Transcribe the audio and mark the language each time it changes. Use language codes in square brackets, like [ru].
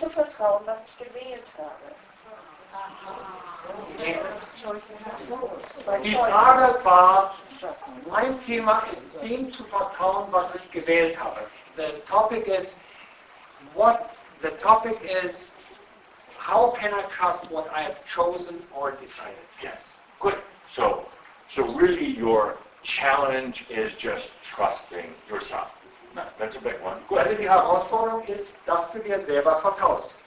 [de] zu vertrauen, was ich gewählt habe. Die Frage war, mein Thema ist dem zu vertrauen, was ich gewählt habe. [en] The topic is, how can I trust what I have chosen or decided? Yes, good. So really your challenge is just trusting yourself. That's a big one. Good. [de] Also die Herausforderung ist, dass du dir selber vertraust.